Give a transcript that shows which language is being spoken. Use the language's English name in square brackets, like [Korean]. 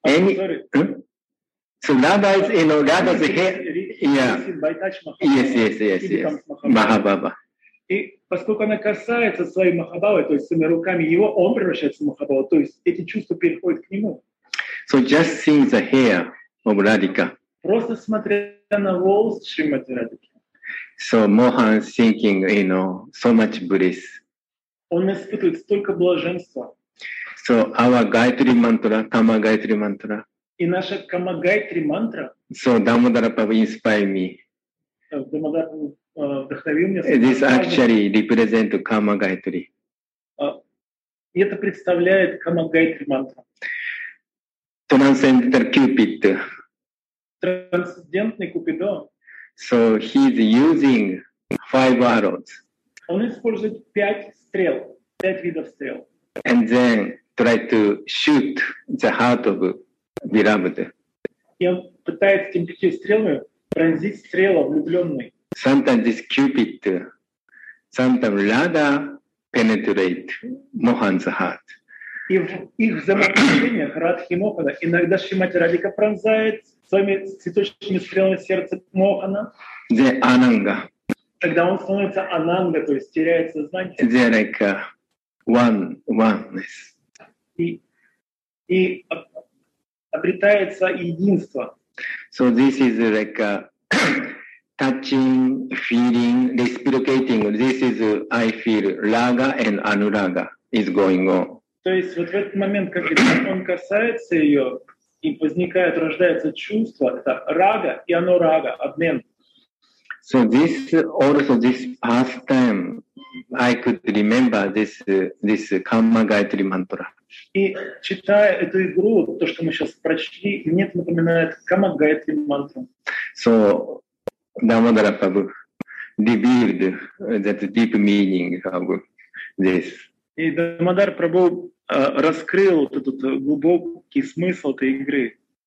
[English] so Radha is, you know, Radha's hair, Mahababa. [Russian] И поскольку она касается своей Махабавы, то есть своими руками его, он превращается в Махабаву, то есть эти чувства переходят к нему. [English] So just seeing the hair of Radhika. [Russian] Просто смотря на волос Шримати Радхики. [English] So Mohan is thinking, you know, so much bliss. [Russian] Он испытывает столько блаженства. [English] So our Gayatri mantra, Kama Gayatri mantra. [Russian] И наша Kama Gayatri mantra. [English] So Damodara Prabhu inspired me. [Russian] Damodara вдохновил меня. [English] This actually represents Kama Gayatri. [Russian] Это представляет Kama Gayatri mantra. [English] Transcendental Cupid. [Russian] Трансцендентный Купидо. [English] So he's using five arrows. [Russian] Он использует пять стрел, пять видов стрел. [English] And then try to shoot the heart of Virabhadra. [Russian] И он пытается этими пятью стрелами пронзить стрелу влюбленной. [English] Sometimes this Cupid, sometimes Radha penetrate Mohan's heart. [Russian] И в их взаимоотношениях Радхи Мохана иногда Шримати Радхика пронзает своими цветочными стрелами сердце Мохана. [English] The Ананга. [Russian] Тогда он становится Ананга, то есть теряет сознание. [English] The like oneness. [Russian] И обретается единство. [English] So this is like a touching, feeling, reciprocating. This is, I feel, Raga and Anuraga is going on. [Russian] То есть вот в этот момент, когда он касается ее, и возникает, рождается чувство, это рага и анурага, обмен. [English] So this, also this past time, I could remember this, this Kama Gayatri mantra. [Russian] И читая эту игру, то, что мы сейчас прочли, мне это напоминает Kama Gayatri mantra. [English] So Damodara Prabhu revealed that deep meaning of this. [Russian] И Дамодар Прабху раскрыл этот глубокий смысл этой игры.